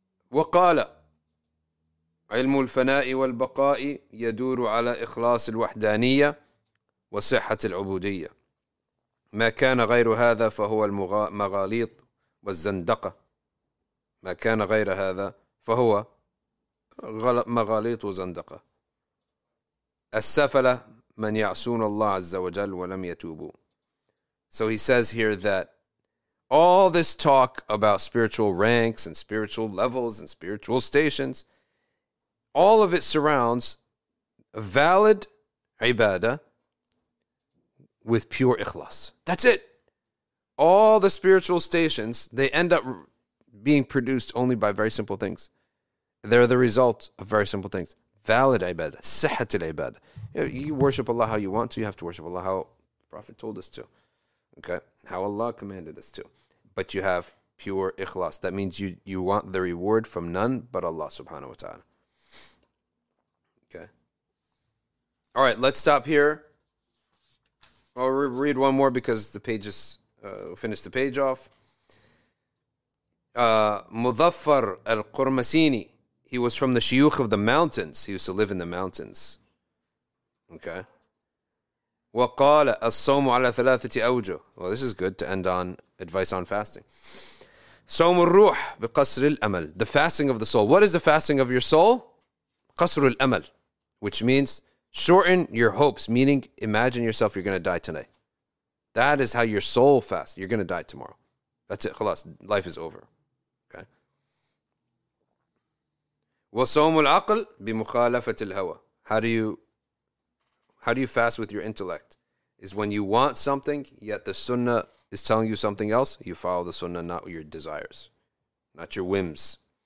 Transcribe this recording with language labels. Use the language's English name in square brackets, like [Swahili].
[Arabic] وقال علم الفناء والبقاء يدور على إخلاص الوحدانية وصحة العبودية ما كان غير هذا فهو المغاليط والزندقة ما كان غير هذا فهو مغاليط وزندقة السفلة من يعصون الله عز وجل ولم يتوبوا. [English] So he says here that all this talk about spiritual ranks and spiritual levels and spiritual stations, all of it surrounds a valid ibadah with pure ikhlas. That's it. All the spiritual stations, they end up being produced only by very simple things. They're the result of very simple things. Valid ibadah, sihat al-ibadah. You worship Allah how you want to, you have to worship Allah how the Prophet told us to. Okay, how Allah commanded us to. But you have pure ikhlas. That means you want the reward from none but Allah subhanahu wa ta'ala. Okay. All right, let's stop here. I'll read one more because the pages, finish the page off. Muzaffar al-Qurmasini. He was from the Shiyukh of the mountains. He used to live in the mountains. Okay. [Arabic] وقال الصوم على ثلاثة أوجه. [English] Well, this is good to end on advice on fasting. [Arabic] صوم الروح بقصر الأمل. [English] The fasting of the soul. What is the fasting of your soul? [Arabic] قصر الأمل, [English] which means shorten your hopes. Meaning, imagine yourself you're going to die tonight. That is how your soul fasts. You're going to die tomorrow. That's it. خلاص. Life is over. Okay. [Arabic] وصوم العقل بمخالفة الهوى. [English] How do you fast with your intellect? Is when you want something, yet the sunnah is telling you something else, you follow the sunnah, not your desires, not your whims.